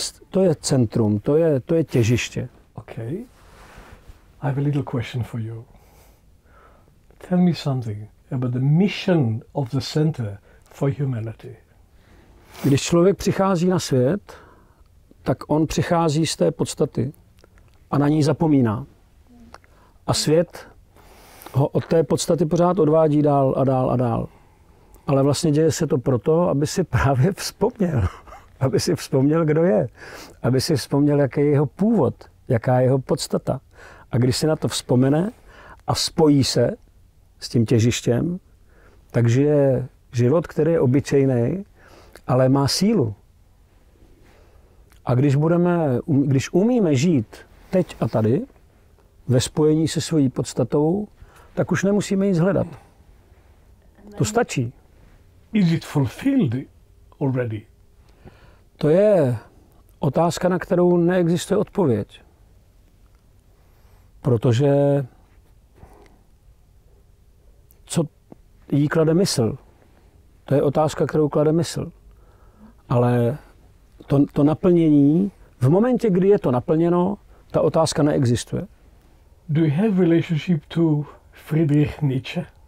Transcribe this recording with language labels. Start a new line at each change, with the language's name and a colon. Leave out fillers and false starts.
Czech: To je centrum, to je těžiště.
English: Okay. I have a little question for you. Tell me something about the mission of the center for humanity.
Czech: Když člověk přichází na svět, tak on přichází z té podstaty a na ní zapomíná. A svět ho od té podstaty pořád odvádí dál a dál a dál. Ale vlastně děje se to proto, aby si právě vzpomněl. Aby si vzpomněl, kdo je. Aby si vzpomněl, jaký je jeho původ, jaká je jeho podstata. A když si na to vzpomene a spojí se s tím těžištěm, tak žije život, který je obyčejný, ale má sílu. A když umíme žít teď a tady, ve spojení se svojí podstatou, tak už nemusíme nic hledat. To stačí.
English: Is it fulfilled already?
Czech: To je otázka, na kterou neexistuje odpověď. Protože co jí klade mysl? To je otázka, kterou klade mysl. Ale to naplnění, v momentě, kdy je to naplněno, ta otázka neexistuje.
English: Do you have relationship to Friedrich Nietzsche?